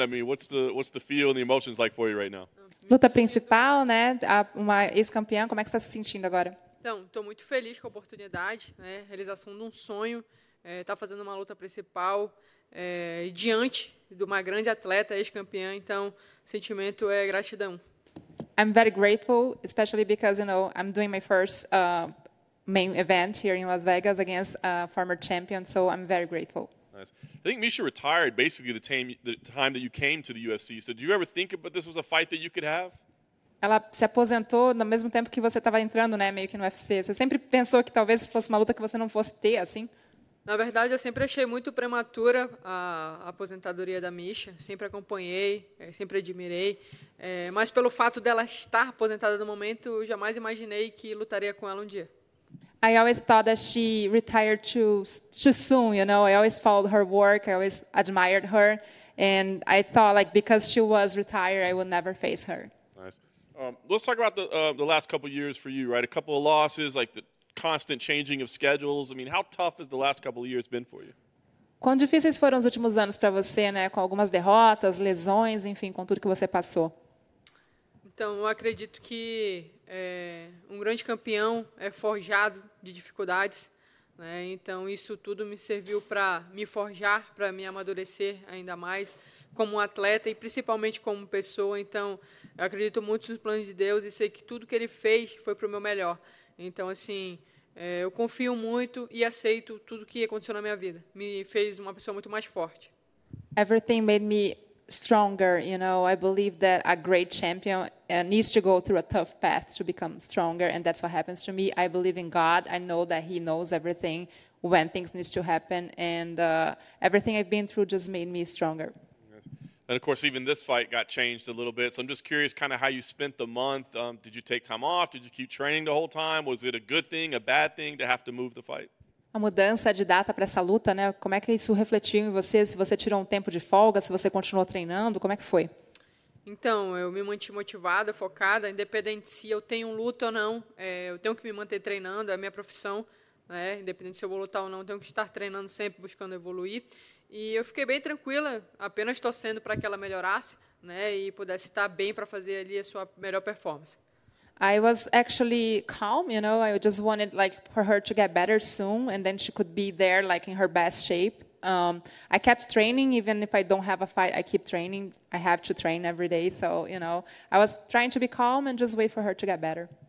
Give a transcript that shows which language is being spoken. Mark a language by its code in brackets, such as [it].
[en] I mean, what's the feel and the emotions like for you right now? [pt] Luta principal, né? Uma ex-campeã, como é que você está se sentindo agora? Então, estou muito feliz com a oportunidade, né? Realização de um sonho, tá fazendo uma luta principal diante de uma grande atleta, ex-campeã. Então, o sentimento é gratidão. [en] I'm very grateful, especially because, you know, I'm doing my first main event here in Las Vegas against a former champion, so I'm very grateful. Nice. I think Misha retired basically the time that you came to the UFC. So, did you ever think about this was a fight that you could have? [pt] Ela se aposentou no mesmo tempo que você estava entrando, né, meio que no UFC. Você sempre pensou que talvez fosse uma luta que você não fosse ter, assim? Na verdade, eu sempre achei muito prematura a aposentadoria da Misha. Sempre acompanhei, sempre admirei. Mas pelo fato dela estar aposentada no momento, eu jamais imaginei que lutaria com ela um dia. [en] I always thought that she retired too soon, you know. I always followed her work, I always admired her. And I thought, like, because she was retired, I would never face her. Nice. Let's talk about the last couple of years for you, right? A couple of losses, like the constant changing of schedules. I mean, how tough has the last couple of years been for you? [pt] Quão difíceis foram os últimos anos para você, né? Com algumas derrotas, lesões, enfim, com tudo que você passou. Então, eu acredito que um grande campeão é forjado de dificuldades, né? Então, isso tudo me serviu para me forjar, para me amadurecer ainda mais como atleta e principalmente como pessoa. Então, eu acredito muito nos planos de Deus e sei que tudo que Ele fez foi para o meu melhor. Então, assim, eu confio muito e aceito tudo que aconteceu na minha vida. Me fez uma pessoa muito mais forte. [en] Everything made me stronger, you know. I believe that a great champion needs to go through a tough path to become stronger, and that's what happens to me. I believe in God. I know that He knows everything when things need to happen, and everything I've been through just made me stronger. And of course, even this fight got changed a little bit. So I'm just curious kind of how you spent the month. Did you take time off? Did you keep training the whole time? Was it a good thing, a bad thing to have to move the fight? [pt] A mudança de data para essa luta, né? Como é que isso refletiu em você? Se você tirou um tempo de folga, se você continuou treinando, como é que foi? Então, eu me manti motivada, focada, independente se eu tenho luta ou não. Eu tenho que me manter treinando, é a minha profissão, né? Independente se eu vou lutar ou não, eu tenho que estar treinando sempre, buscando evoluir. E eu fiquei bem tranquila, apenas torcendo para que ela melhorasse, né? E pudesse estar bem para fazer ali a sua melhor performance. [en] I was actually calm, you know, I just wanted like for her to get better soon and then she could be there like in her best shape. I kept training, even if I don't have a fight, I keep training. I have to train every day, so, you know, I was trying to be calm and just wait for her to get better.